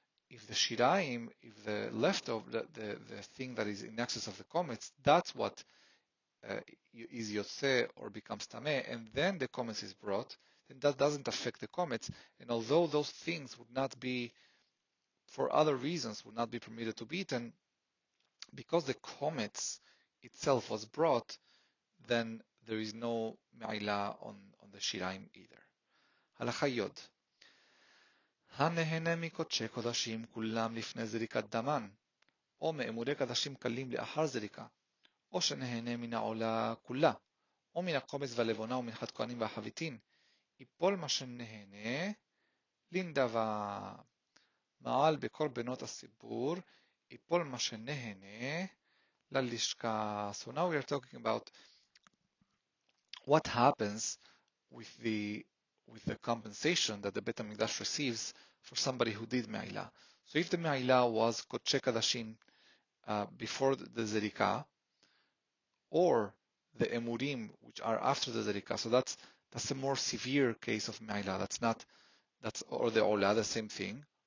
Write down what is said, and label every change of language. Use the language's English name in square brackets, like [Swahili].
[English] If the shiraim, if the leftover, the thing that is in excess of the comets, that's what is yoseh or becomes tameh, and then the comets is brought, then that doesn't affect the comets. And although those things would not be, for other reasons, would not be permitted to be eaten, because the comets itself was brought, then there is no me'ila on the shiraim either. [Hebrew] Halacha yod. הנהנה מקודשי קודשים כולם לפני זריקת דמן, או מאמורי קדשים קלים לאחר זריקה, או שנהנה מן העולה כולה, או מן הקומץ והלבונה ומנחת כהנים והחביתין, יפול מה שנהנה, לנדבה. מעל בכל בנות הסיבור, יפול מה שנהנה, ללשכה. [English] So now we are talking about what happens with the compensation that the Beit HaMikdash receives for somebody who did Me'ila. So if the Me'ila was Kodshe Kadashim before the Zerika, or the Emurim, which are after the Zerika, so that's a more severe case of Me'ila, or the Ola, the same thing.